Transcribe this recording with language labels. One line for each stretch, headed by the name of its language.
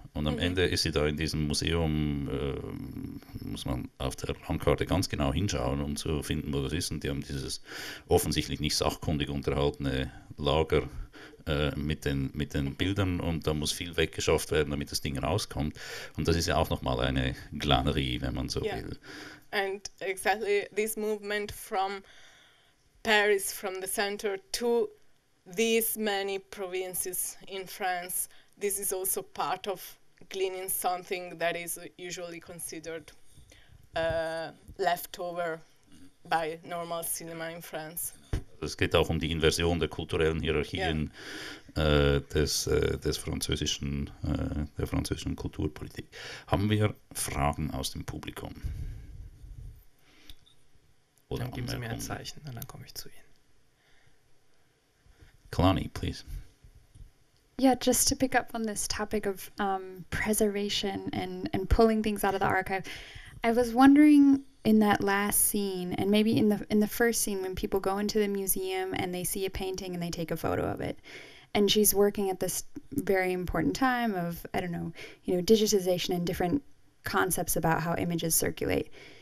German: Und am Ende ist sie da in diesem Museum, muss man auf der Landkarte ganz genau hinschauen, um zu finden, wo das ist. Und die haben dieses offensichtlich nicht sachkundig unterhaltene Lager mit den Bildern und da muss viel weggeschafft werden, damit das Ding rauskommt. Und das ist ja auch nochmal eine Glanerie, wenn man so will.
English: And exactly this movement from Paris, from the center to these many provinces in France, this is also part of gleaning something that is usually considered leftover by normal cinema in France.
German: Es geht auch um die Inversion der kulturellen Hierarchien der französischen Kulturpolitik. Haben wir Fragen aus dem Publikum? Oder dann geben Sie mir ein Zeichen und dann komme ich zu Ihnen.
English: Kalani, please. Yeah, just to pick up on this topic of preservation and pulling things out of the archive. I was wondering in that last scene, and maybe in the first scene when people go into the museum and they see a painting and they take a photo of it, and she's working at this very important time of, I don't know, you know, digitization and different concepts about how images circulate.